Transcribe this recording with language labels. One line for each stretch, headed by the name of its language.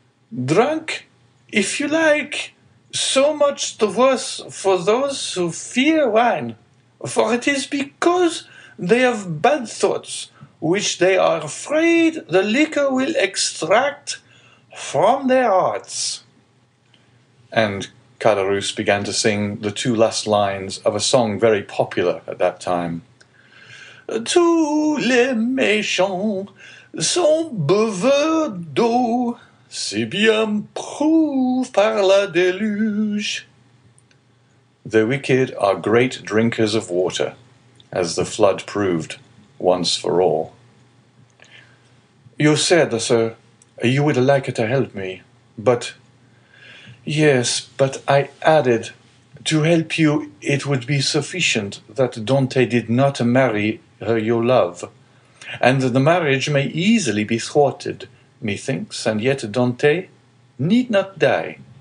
English: Drunk, if you like, so much the worse for those who fear wine, for it is because they have bad thoughts, which they are afraid the liquor will extract from their hearts. And Caderousse began to sing the two last lines of a song very popular at that time.
French: Tous les méchants sont buveurs d'eau, si bien prouve par la déluge.
English: The wicked are great drinkers of water, as the flood proved once for all. You said, sir, you would like to help me, but... Yes, but I added, to help you, it would be sufficient that Dante did not marry her you love, and the marriage may easily be thwarted, methinks, and yet Dante need not die.